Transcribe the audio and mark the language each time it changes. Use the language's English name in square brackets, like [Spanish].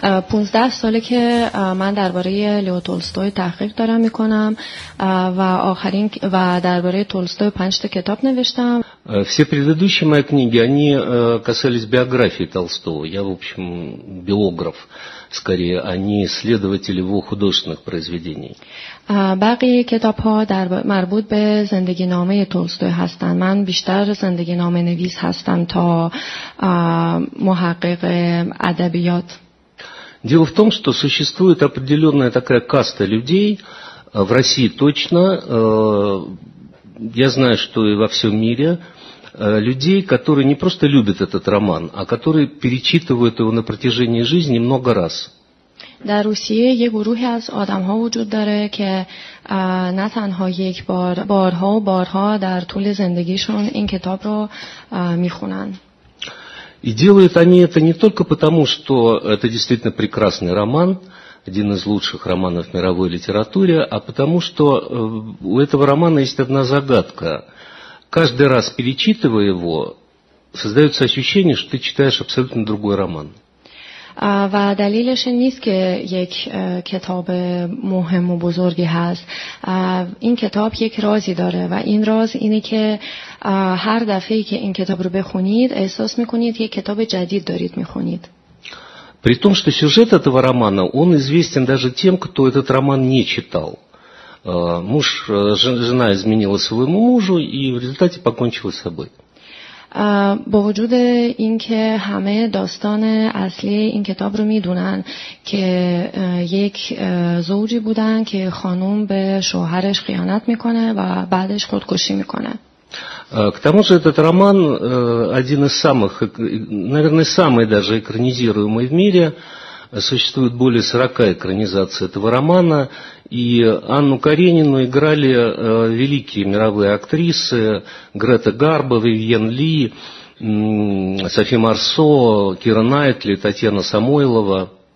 [Persian] پونزده ساله که من درباره لئو تولستوی تحقیق دارم میکنم و آخرین و درباره تولستوی 5 تا کتاب نوشتم. [Russian] Все предыдущие мои книги, они касались биографии Толстого. Я, в общем, биограф, скорее, а не исследователь его художественных произведений. [Persian] بقیه کتاب ها مربوط به زندگی نامه تولستوی هستن. من بیشتر زندگی نامه نویس هستم تا محقق ادبیات. [Russian] Дело в том, что существует определенная такая каста людей, в России точно, я знаю, что и во всем мире, людей, которые не просто любят этот роман, а которые перечитывают его на протяжении жизни много раз. [Persian] در روسیه یه گروهی از آدم‌ها وجود داره که نه تنها یک بار بارها و بارها در طول زندگیشون این کتاب رو می‌خونن. [Russian] И делают они это не только потому, что это действительно прекрасный роман, один из лучших романов в мировой литературе, а потому что у этого романа есть одна загадка. Каждый раз перечитывая его, создается ощущение, что ты читаешь абсолютно другой роман. [Persian] و دلیلش این نیست که یک کتاب مهم و بزرگی هست. این کتاب یک رازی داره و این راز اینه که هر دفعه که این کتاب رو بخونید احساس میکنید یک کتاب جدید دارید میخونید. [Russian] При том, что сюжет этого романа, он известен даже тем, кто этот роман не читал. Муж, жена изменила своему мужу и в результате покончила с собой. [Persian] با وجود اینکه همه داستان اصلی این کتاب رو میدونن که یک زوجی بودن که خانوم به شوهرش خیانت میکنه و بعدش خودکشی میکنه. [Russian] К тому же этот роман один из самых, наверное, самый даже экранизируемый в мире. Существует более 40 экранизаций этого романа, и Анну Каренину играли великие мировые актрисы Грета Гарбо, Вивьен Ли, Софи Марсо, Кира Найтли, Татьяна Самойлова.